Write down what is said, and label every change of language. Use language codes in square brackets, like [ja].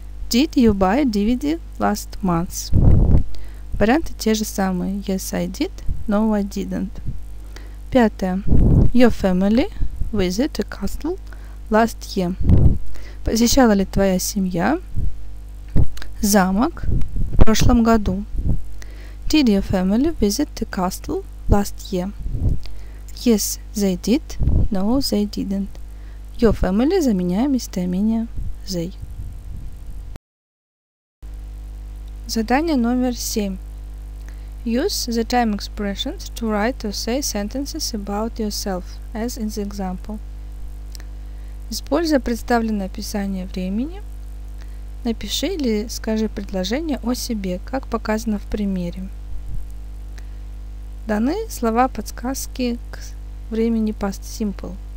[en] Did you buy DVD last month? [ru] Варианты те же самые. [en] Yes, I did. No, I didn't. [ru] Пятое. [en] Your family visited a castle last year. [ru] Посещала ли твоя семья замок в прошлом году? [en] Did your family visit the castle last year? Yes, they did. No, they didn't. Your family [ru] заменяем местоимение [en] they. [ru] Задание номер 7. [en] Use the time expressions to write or say sentences about yourself, as in the example. [ru] Используя представленное описание времени, напиши или скажи предложение о себе, как показано в примере. Даны слова-подсказки к времени past simple.